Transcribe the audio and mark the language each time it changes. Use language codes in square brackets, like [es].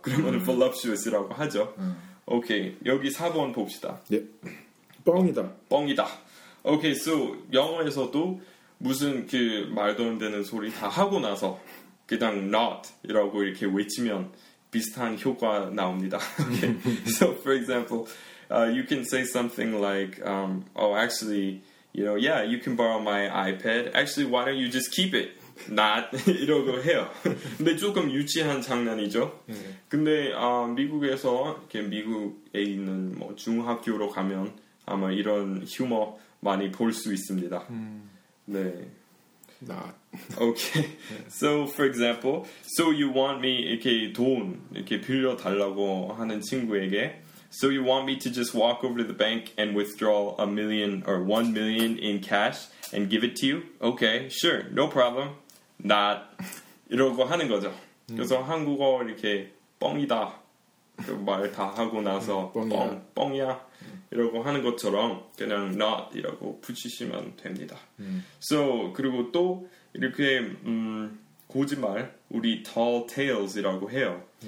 [ko] 그러면 voluptuous라고 하죠. 오케이 okay, 여기 4번 봅시다. 예. 뻥이다. 뻥이다. 오케이 okay, so 영어에서도 무슨 그 말도 안 되는 소리 다 하고 나서 그냥 not이라고 이렇게 외치면 비슷한 효과 나옵니다. [en] Okay. So for example, you can say something like, oh, actually, you know, yeah, you can borrow my iPad. Actually, why don't you just keep it? [ko] not 이러고 해요. 근데 조금 유치한 장난이죠. 근데 미국에서 이렇게 미국에 있는 뭐 중학교로 가면 아마 이런 휴머 많이 볼 수 있습니다. 네. [en] Not. [ko] Okay. So for example, so you want me 이렇게 돈 이렇게 빌려 달라고 하는 친구에게. [en] So you want me to just walk over to the bank and withdraw $1 million in cash and give it to you? Okay, sure, no problem. Not 이러고 하는 거죠. [ko] 그래서 한국어 이렇게 뻥이다 말 다 하고 나서 뻥이야 이러고 하는 것처럼 그냥 not 이라고 붙이시면 됩니다. So 그리고 또 이렇게 거짓말 우리 tall tales 이라고 해요.